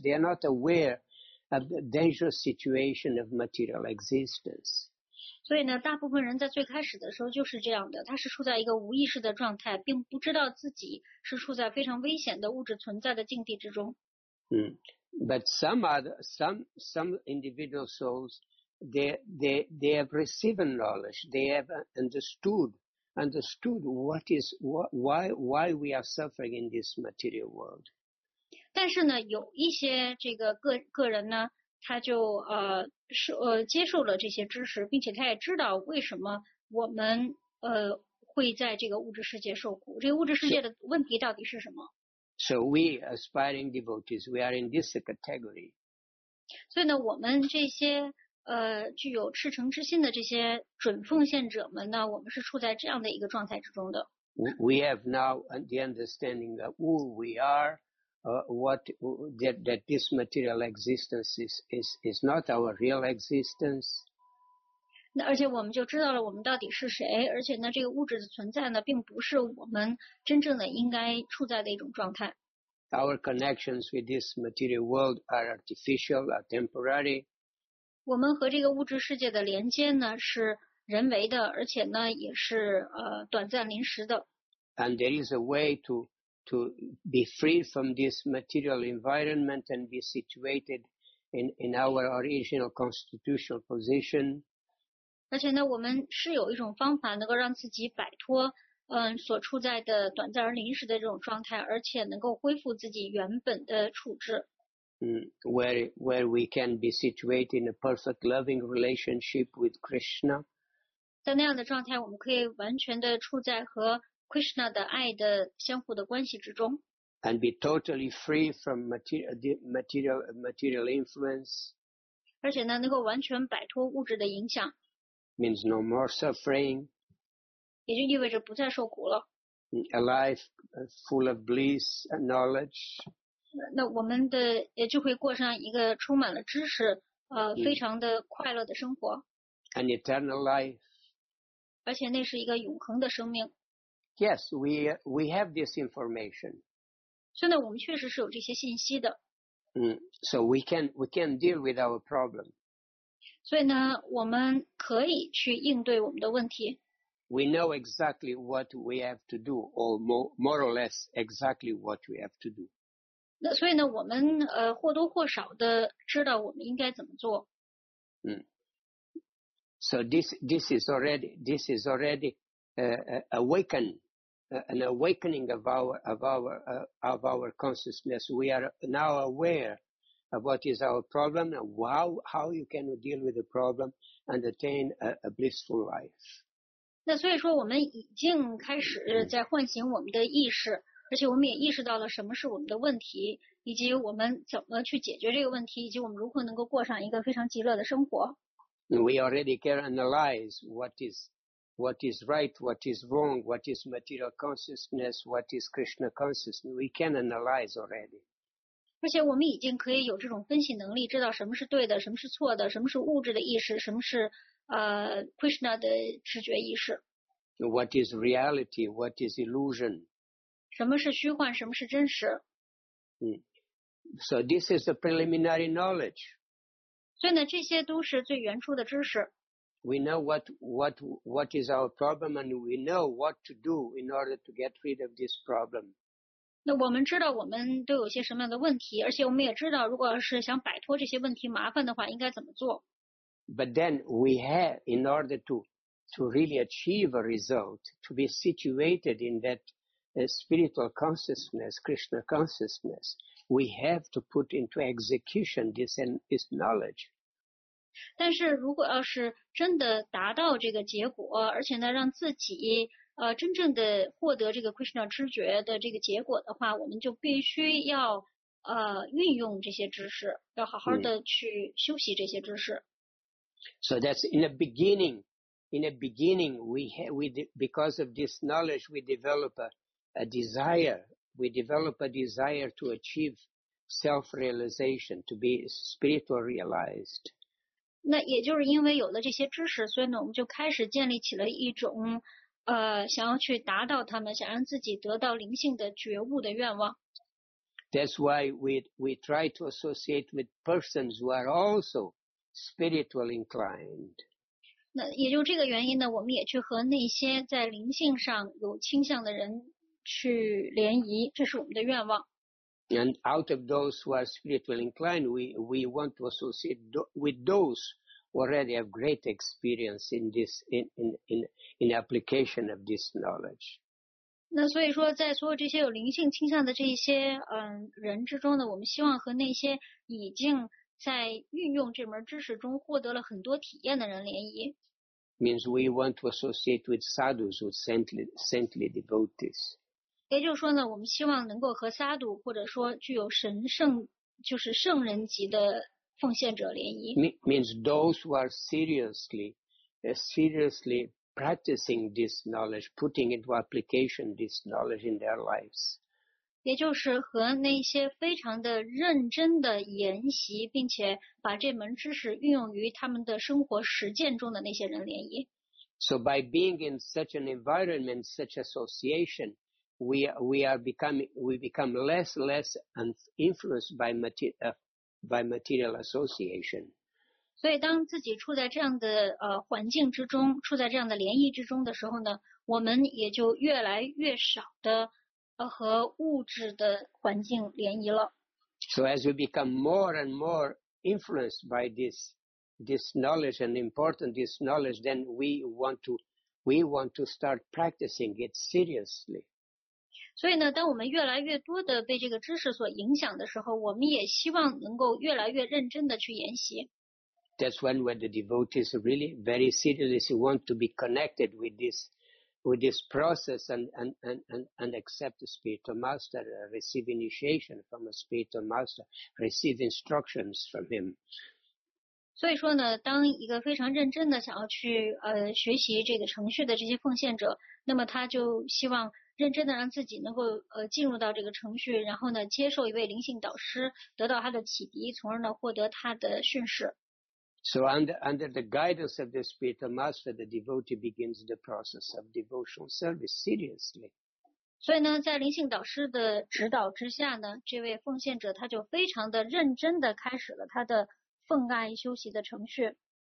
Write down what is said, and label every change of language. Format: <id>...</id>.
<en>They are not aware of the dangerous situation of material existence.</en> <zh>所以呢，大部分人在最开始的时候就是这样的，他是处在一个无意识的状态，并不知道自己是处在非常危险的物质存在的境地之中。</zh> <en>But some individual souls, they have received knowledge. They have understood what is why we are suffering in this material world.</en> <zh>但是呢，有一些这个个人呢，他就接受了这些知识，并且他也知道为什么我们会在这个物质世界受苦。这个物质世界的问题到底是什么？</zh> <en>So we aspiring devotees, we are in this category.</en> <zh>所以呢，我们这些具有赤诚之心的这些准奉献者们呢，我们是处在这样的一个状态之中的。</zh> <en>We have now the understanding of who we are, that this material existence is not our real existence.</en> <zh>那而且我们就知道了我们到底是谁，而且呢，这个物质的存在呢，并不是我们真正的应该处在的一种状态。</zh> <en>Our connections with this material world are artificial, are temporary.</en> <zh>我们和这个物质世界的连接呢，是人为的，而且呢，也是短暂临时的。</zh> <en>And there is a way to be free from this material environment and be situated in our original constitutional position.</en> <zh>而且呢，我们是有一种方法能够让自己摆脱，所处在的短暂而临时的这种状态，而且能够恢复自己原本的处置。</zh> <en>Where we can be situated in a perfect loving relationship with Krishna.</en> <zh>在那样的状态，我们可以完全的处在和 Krishna 的爱的相互的关系之中。</zh> <en>And be totally free from material influence.</en> <zh>而且呢，能够完全摆脱物质的影响。</zh> <en>Means no more suffering.</en> <zh>也就意味着不再受苦了。</zh> <en>A life full of bliss and knowledge.</en> <zh>那我们的也就会过上一个充满了知识，非常的快乐的生活。</zh> <en>An eternal life.</en> <zh>而且那是一个永恒的生命。</zh> <en>Yes, we have this information.</en> <zh>所以呢，我们确实是有这些信息的。</zh> <en>So we can deal with our problem.</en> <zh>所以呢，我们可以去应对我们的问题。</zh> <en>We know exactly what we have to do, or more or less exactly what we have to do.</en> <zh>那所以呢，我们或多或少的知道我们应该怎么做。</zh> <en>So this is already an awakening of our consciousness. We are now aware. Of what is our problem, and how you can deal with the problem and attain a blissful life.</en> <zh>那所以说，我们已经开始在唤醒我们的意识，而且我们也意识到了什么是我们的问题，以及我们怎么去解决这个问题，以及我们如何能够过上一个非常极乐的生活。</zh> <en>We already can analyze what is what is right, what is wrong, what is material consciousness, what is Krishna consciousness. We can analyze already.</en> <zh>而且我们已经可以有这种分析能力，知道什么是对的，什么是错的，什么是物质的意识，什么是Krishna 的直觉意识。</zh> <en>What is reality? What is illusion?</en> <zh>什么是虚幻？什么是真实？</zh> <en>So this is the preliminary knowledge.</en> <zh>所以呢，这些都是最原初的知识。</zh> <en>We know what is our problem, and we know what to do in order to get rid of this problem.</en> <zh>那我们知道我们都有些什么样的问题，而且我们也知道，如果是想摆脱这些问题麻烦的话，应该怎么做。</zh> <en>But then we have, in order to really achieve a result, to be situated in that spiritual consciousness, Krishna consciousness, we have to put into execution this knowledge.</en> <zh>但是如果要是真的达到这个结果，而且呢让自己真正的获得这个 Krishna 知觉的这个结果的话，我们就必须要运用这些知识，要好好的去修习这些知识。</zh> <en>So that's in the beginning, because of this knowledge, we develop a desire. We develop a desire to achieve self-realization, to be spiritually realized.</en> <zh>那也就是因为有了这些知识，所以呢，我们就开始建立起了一种想要去达到他们，想让自己得到灵性的觉悟的愿望。</zh> <en>That's why we try to associate with persons who are also spiritually inclined.</en> <zh>那也就这个原因呢，我们也去和那些在灵性上有倾向的人去联谊，这是我们的愿望。</zh> <en>And out of those who are spiritually inclined, we want to associate with those who already have great experience in this in application of this knowledge.</en> <zh>那所以说，在所有这些有灵性倾向的这些人之中呢，我们希望和那些已经在运用这门知识中获得了很多体验的人联谊。</zh> <en>Means we want to associate with sadhus, with saintly devotees.</en> <zh>也就是说呢，我们希望能够和萨度或者说具有神圣，就是圣人级的奉献者联谊。</zh> <en>Means those who are seriously practicing this knowledge, putting into application this knowledge in their lives.</en> <zh>也就是和那些非常的认真的研习，并且把这门知识运用于他们的生活实践中的那些人联谊。</zh> <en>So by being in such an environment, such association, we become less influenced by material association.</en> <zh>所以当自己处在这样的环境之中，处在这样的联谊之中的时候呢，我们也就越来越少的和物质的环境联谊了。</zh> <en>So as you become more and more influenced by this knowledge and important this knowledge, then we want to start practicing it seriously.</en> <zh>所以呢，当我们越来越多的被这个知识所影响的时候，我们也希望能够越来越认真的去研习。</zh> <en>That's when the devotees really very seriously want to be connected with this process and accept the spiritual master, receive initiation from a spiritual master, receive instructions from him.</en> <zh>所以说呢，当一个非常认真的想要去学习这个程序的这些奉献者，那么他就希望认真的让自己能够进入到这个程序，然后呢接受一位灵性导师，得到他的启迪，从而呢获得他的训示。</zh> <en>So under the guidance of the spiritual master, the devotee begins the process of devotional service seriously.</en> <zh>所以呢，在灵性导师的指导之下呢，这位奉献者他就非常的认真的开始了他的奉爱修习的程序。</zh>